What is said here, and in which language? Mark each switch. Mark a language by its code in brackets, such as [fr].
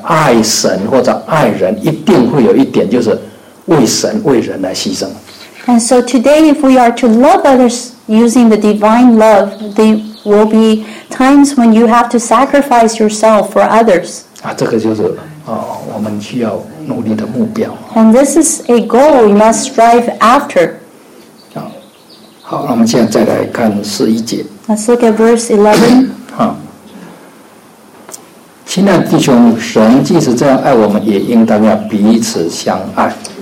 [zh] 因此如果我们用主耶稣的爱来爱神或者爱人, 一定会有一点就是为神为人来牺牲。 [en] And so today, if we are to love others using the divine love, there will be times when you have to sacrifice yourself for others. [zh] 这个就是我们需要努力的目标。 [en] And this is a goal we must strive after. [zh] 好，那我们现在再来看十一节。 [en] Let's look at verse 11. [zh] 亲爱的弟兄, 神即使这样爱我们，也应当要彼此相爱。